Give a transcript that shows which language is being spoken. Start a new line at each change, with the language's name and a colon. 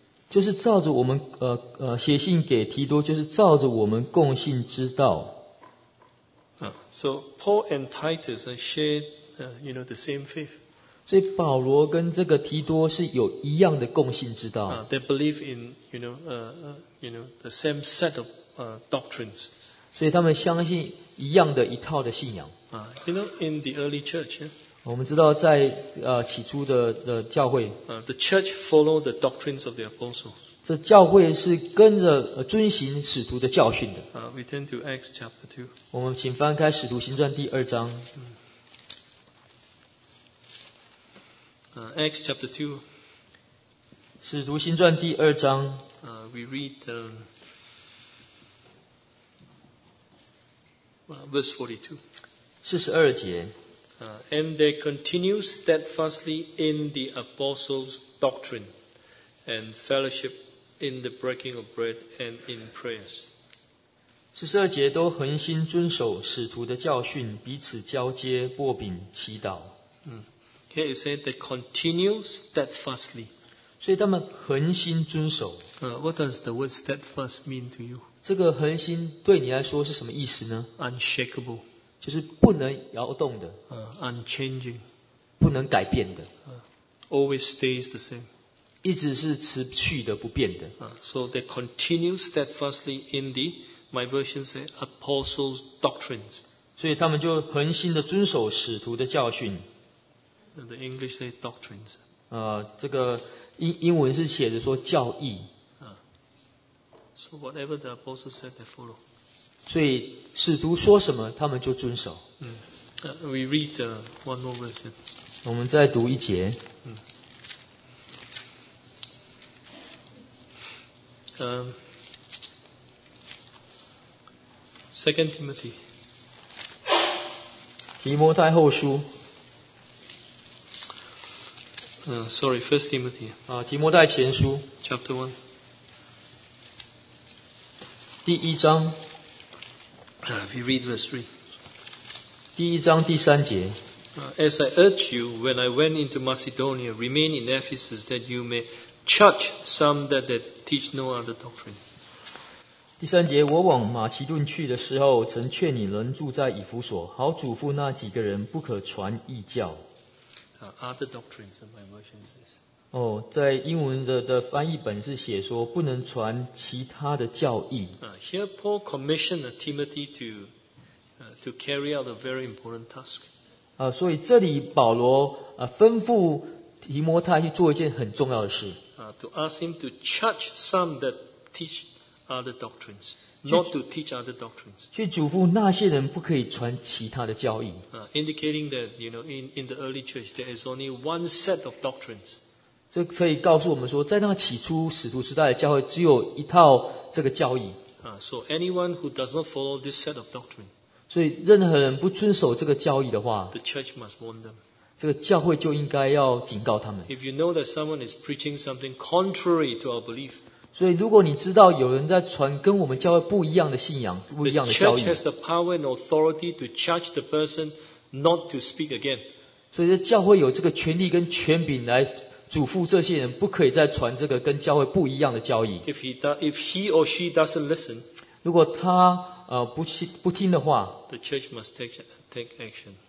Chinese: 就是照着我们写信给提多，就是照着我们共信之道。
English: So Paul and Titus share, the same faith.
Chinese: 所以保罗跟这个提多是有一样的共信之道。
English: They believe in, the same set of doctrines.
Chinese: 所以他们相信一样的一套的信仰。
English: In the early church.、Yeah?
Chinese: 我们知道在起初的教会
English: the church followed the doctrines of the apostles.
Chinese: 这教会是跟着遵行使徒的教训的。
English: We turn to Acts chapter 2.
Chinese: 我们请翻开使徒行传第二章。
English: Acts chapter 2.
Chinese: 使徒行传第二章。
English: We read, verse 42.
Chinese: 42节。
English: And they continue steadfastly in the apostles' doctrine and fellowship in the breaking of bread and in prayers.
Chinese: 四十二节都恒心遵守使徒的教训，彼此交接、擘饼、祈祷。
English: Here it says they continue steadfastly.
Chinese: 所以他们恒心遵守。
English: What does the word steadfast mean to you?
Chinese: 这个恒心对你来说是什么意思呢
English: ？Unshakable.
Chinese: 就是不能摇动的
English: unchanging
Chinese: 不能改变的
English: always stays the same
Chinese: 一直是持续的不变的
English: so they continue steadfastly in the my version says apostles doctrines
Chinese: 所以他们就恒心的遵守使徒的教训
English: the English say doctrines
Chinese: 这个 英文是写着说教义
English: so whatever the apostles said they follow
Chinese: 所以使徒说什么他们就遵守。
English: We read one more verse.
Chinese: 我们再读一节。
English: Second Timothy.
Chinese: 提摩太后书。
English: Sorry, First Timothy.
Chinese: 提摩太前书。
English: Chapter one.
Chinese: 第一章。
English: We read verse 3.
Chinese: 第一章第三节。
English: As I urge you when I went into Macedonia, remain in Ephesus that you may charge some that they teach no other doctrine.
Chinese: 第三节，我往马其顿去的时候，曾劝你仍住在以弗所，好嘱咐那几个人不可传异教。
English: Other doctrines, my version says.
Chinese: 在英文 的翻译本是写说不能传其他的教义。
English: Here Paul commissioned Timothy to carry out a very important task.
Chinese: 所以这里保罗吩咐提摩太去做一件很重要的事。
English: To ask him to charge some that teach other doctrines, not to teach other doctrines.
Chinese: 去嘱咐那些人不可以传其他的教义。
English: Indicating that, in the early church, there is only one set of doctrines.
Chinese: 这可以告诉我们说，在那起初使徒时代的教会只有一套这个教义。
English: So anyone who does not follow this set of doctrine,
Chinese: 所以任何人不遵守这个教义的话，
English: the church must warn them.
Chinese: 这个教会就应该要警告他们。
English: If you know that someone is preaching something contrary to our belief,
Chinese: 所以如果你知道有人在传跟我们教会不一样的信仰，不一样的教义，
English: the church has the power and authority to charge the person not to speak again.
Chinese: 所以教会有这个权力跟权柄来嘱咐这些人不可以再传这个跟教会不一样的教义。
English: If he or she doesn't listen,
Chinese: 如果他不听的话，
English: the church must take action.